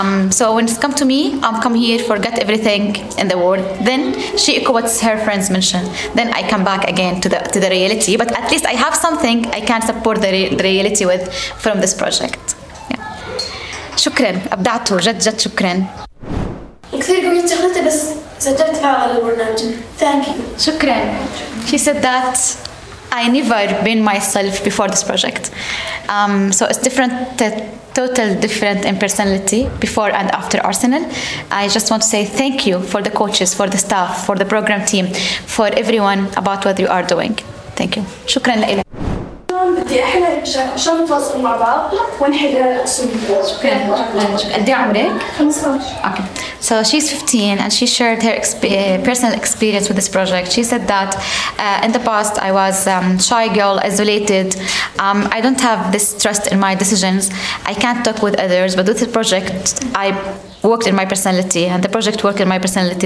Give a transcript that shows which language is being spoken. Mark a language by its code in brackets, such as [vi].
[en] So when it's come to me, I'm come here, forget everything in the world. Then she echo what her friends mentioned. Then I come back again to the reality. But at least I have something I can support the reality with from this project. [ar] شكرا ابدعتوا جد جد شكرا كثير قوية شغلتي بس سجلت فعلا البرنامج [en] thank you [ar] شكرا [en] she said that I never been myself before this project so it's different total different in personality before and after Arsenal I just want to say thank you for the coaches for the staff for the program team for everyone about what you are doing thank you [ar] شكرا لإلك بدي احنا عشان نتواصل مع بعض ونحل السبب. شكرا. قد عمرك؟ 15. اوكي. [en] So she's 15 and she shared her personal experience with this project. She said that in the past I was a shy girl, isolated. I don't have this trust in my decisions. I can't talk with others. But with the project, I worked in my personality. And the project worked in my personality.